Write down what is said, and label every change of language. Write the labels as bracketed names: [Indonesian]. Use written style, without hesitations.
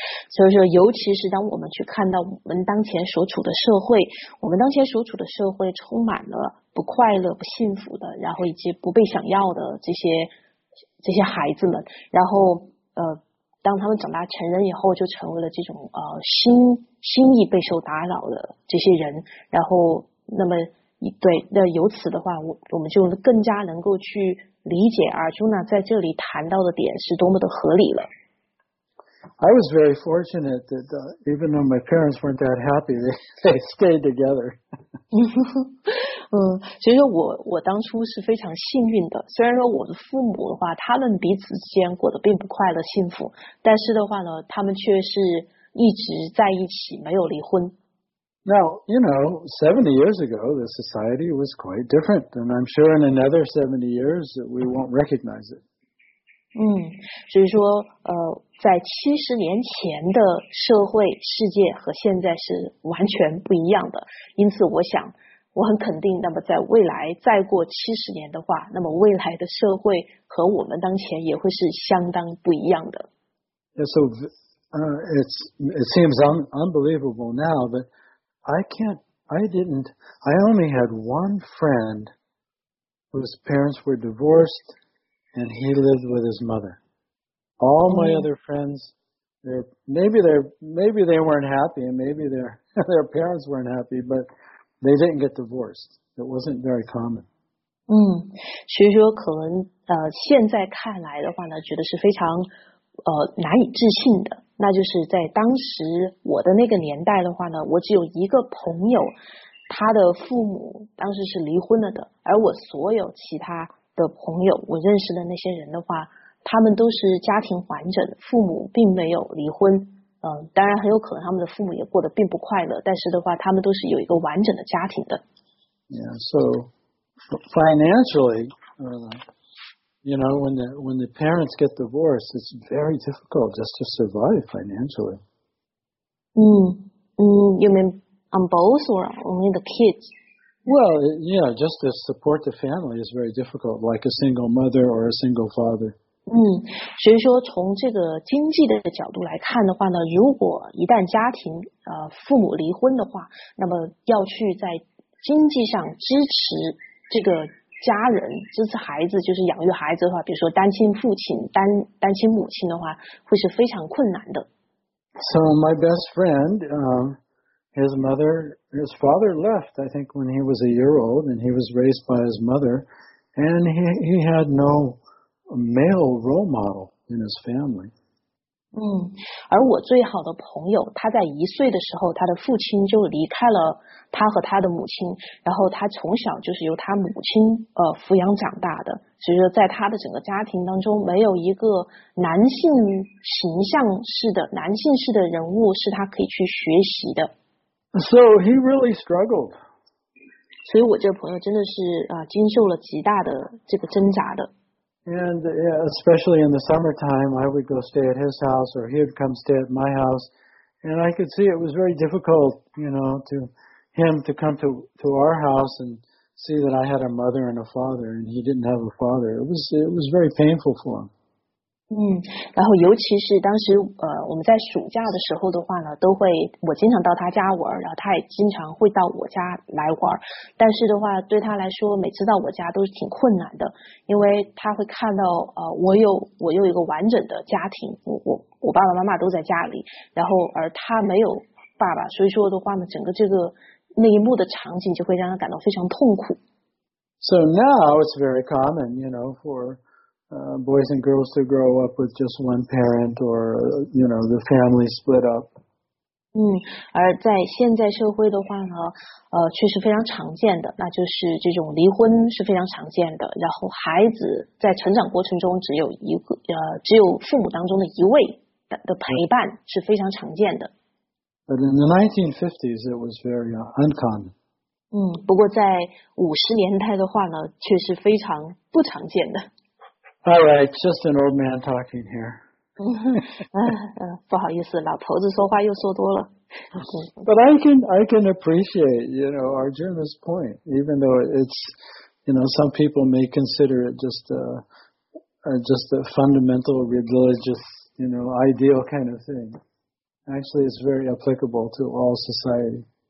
[Chinese] 所以说，尤其是当我们去看到我们当前所处的社会，充满了不快乐、不幸福的，然后以及不被想要的这些孩子们，然后当他们长大成人以后，就成为了这种心意备受打扰的这些人，然后那么对，那由此的话，我们就更加能够去理解Arjuna在这里谈到的点是多么的合理了。 [English] I was very fortunate that even though my parents weren't that happy, they stayed together. [Chinese] 所以说我当初是非常幸运的，虽然说我的父母的话，他们彼此之间过得并不快乐幸福，但是的话呢，他们却是一直在一起，没有离婚。 [English] Now, you know, 70 years ago, the society was quite different, and I'm sure in another 70 years, we won't recognize it. [Chinese] 所以说在70年前的社会世界和现在是完全不一样的，因此我想我很肯定，那么在未来再过70年的话，那么未来的社会和我们当前也会是相当不一样的。 [English] Yeah, so it seems unbelievable now, but I only had one friend whose parents were divorced and he lived with his mother. All my other friends, maybe they weren't happy and maybe their parents weren't happy, but they didn't get divorced. It wasn't very common. [Chinese] 所以说可能现在看来的话呢，觉得是非常难以置信的。那就是在当时我的那个年代的话呢，我只有一个朋友，他的父母当时是离婚了的，而我所有其他的朋友，我认识的那些人的话，他们都是家庭完整，父母并没有离婚。当然很有可能他们的父母也过得并不快乐，但是的话，他们都是有一个完整的家庭的。 [English] Yeah, so financially, you know, when the parents get divorced, it's very difficult just to survive financially. You mean on both or only the kids? Well, yeah, just to support the family is very difficult, like a single mother or a single father. [Chinese] 所以说从这个经济的角度来看的话呢，如果一旦家庭父母离婚的话，那么要去在经济上支持这个家人，支持孩子，就是养育孩子的话，比如说单亲父亲、单亲母亲的话，会是非常困难的。 [English] So my best friend, his father left, I think, when he was a year old, and he was raised by his mother, and he had no male role model in his family. [Chinese] 而我最好的朋友，他在一岁的时候，他的父亲就离开了他和他的母亲，然后他从小就是由他母亲抚养长大的，所以说在他的整个家庭当中，没有一个男性形象式的男性式的人物是他可以去学习的。 [English] So he really struggled. [Chinese] 所以我这个朋友真的是经受了极大的这个挣扎的。 [English] And especially in the summertime, I would go stay at his house, or he would come stay at my house, and I could see it was very difficult, you know, to him to come to our house and see that I had a mother and a father, and he didn't have a father. It was very painful for him. [Chinese] 然后尤其是当时我们在暑假的时候的话呢，都会我经常到他家玩，然后他也经常会到我家来玩。但是的话，对他来说，每次到我家都是挺困难的，因为他会看到我有一个完整的家庭，我爸爸妈妈都在家里，然后而他没有爸爸，所以说的话呢，整个这个那一幕的场景就会让他感到非常痛苦。 [English] So now it's very common, you know, for boys and girls to grow up with just one parent, or you know, the family split up. [Chinese] 而在现在社会的话呢，确实非常常见的，那就是这种离婚是非常常见的。然后孩子在成长过程中只有一个只有父母当中的一位的陪伴是非常常见的。 [English] But in the 1950s, it was very uncommon. [Chinese] 不过在50年代的话呢，却是非常不常见的。 [English] All right, just an old man talking here. [Chinese] 不好意思，老头子说话又说多了。 [English] But I can appreciate, you know, Arjuna's point, even though it's, you know, some people may consider it just a fundamental religious, you know, ideal kind of thing. Actually, it's very applicable to all society.